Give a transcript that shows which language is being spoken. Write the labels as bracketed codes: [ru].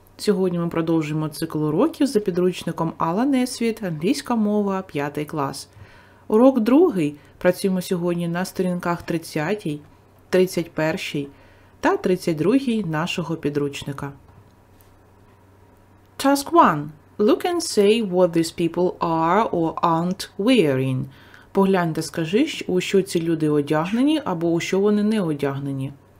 [uk] Сьогодні ми продовжуємо цикл уроків за підручником Алла Несвіт «Англійська мова, 5 клас». Урок 2. Працюємо сьогодні на сторінках 30, 31 та 32 нашого підручника. [en] Task 1. Look and say what these people are or aren't wearing. [uk] Поглянь та скажи, у що ці люди одягнені або у що вони не одягнені.